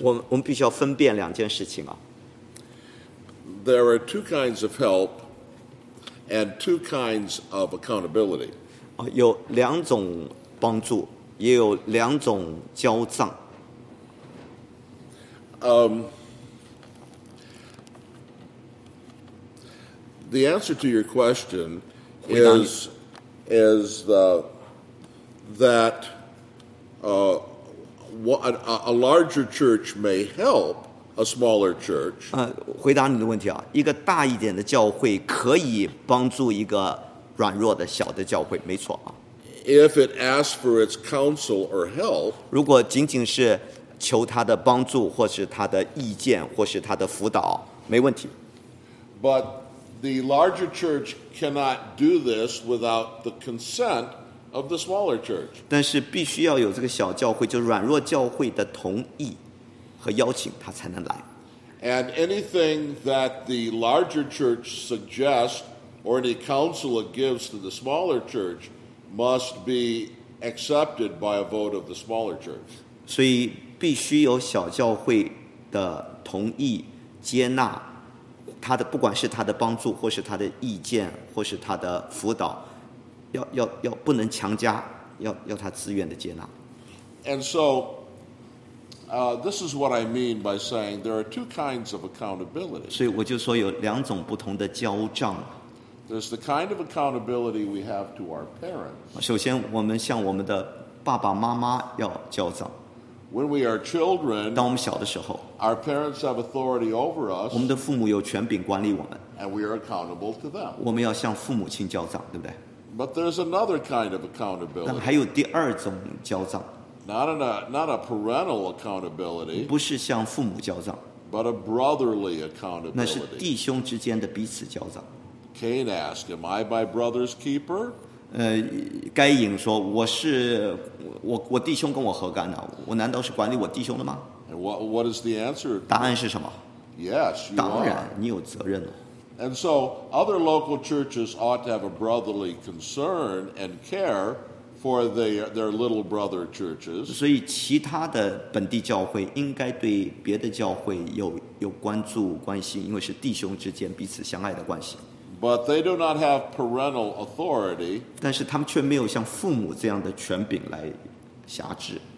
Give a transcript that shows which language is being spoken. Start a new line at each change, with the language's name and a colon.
Chinese: 我们必须要分辨两件事情啊。
English: There are two kinds of help and two kinds of accountability.
Chinese: 有两种帮助，也有两种交账。
English: The answer to your question is that a larger church may help a smaller church.
Chinese: 回答你的问题啊，一个大一点的教会可以帮助一个软弱的小的教会，没错啊。
English: If it asks for its counsel or help,
Chinese: 如果仅仅是求他的帮助，或是他的意见，或是他的辅导，没问题。
English: But the larger church cannot do this without the consent of the smaller church.
Chinese: 但是必须要有这个小教会，就软弱教会的同意和邀请，他才能来。
English: And anything that the larger church suggests or any counsel it gives to the smaller church must be accepted by a vote of the smaller church.
Chinese: 所以必须有小教会的同意接纳。他的不管是他的帮助，或是他的意见，或是他的辅导，要不能强加，要他自愿的接纳。
English: And so, this is what I mean by saying there are two kinds of accountability.
Chinese: 所以我就说有两种不同的交账。
English: There's the kind of accountability we have to our parents.
Chinese: 首先，我们向我们的爸爸妈妈要交账。
English: When we are children,
Chinese: 当我们小的时候，
English: our parents have authority over us,
Chinese: 我们的父母有权柄管理我们，
English: and we are accountable to them.
Chinese: 我们要向父母亲交账，对不对？
English: But there's another kind of accountability.
Chinese: 但还有第二种交账，
English: not a parental accountability,
Chinese: 不是向父母交账，
English: but a brotherly accountability.
Chinese: 那是弟兄之间的彼此交账。
English: Cain asked, am I my brother's keeper?
Chinese: 该隐说，我弟兄跟我何干呢？我难道是管理我弟兄的吗？
English: And what is the answer?
Chinese: 答案是什么？
English: Yes, you are.
Chinese: 当然，你有责任了。
English: And so, other local churches ought to have a brotherly concern and care for their little brother churches.
Chinese: 所以其他的本地教会应该对别的教会有关注关心，因为是弟兄之间彼此相爱的关系。
English: But they do not have parental authority.
Chinese: 但是他们却没有像父母这样的权柄来辖制。